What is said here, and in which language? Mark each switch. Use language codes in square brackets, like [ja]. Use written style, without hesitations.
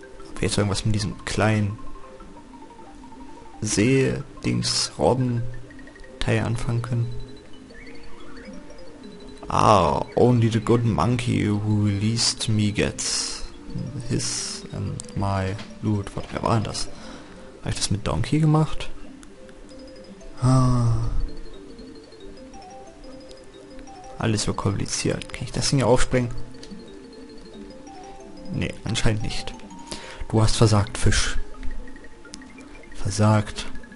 [de] Ob wir jetzt irgendwas mit diesem kleinen See-Dings-Robben-Teil anfangen können? [en] Ah, only the good monkey who released me gets his and my loot. [de] Was war denn das? Habe ich das mit Donkey gemacht? Ah. Alles so kompliziert. Kann ich das Ding hier aufspringen? Nee, anscheinend nicht. Du hast versagt, Fisch. Versagt.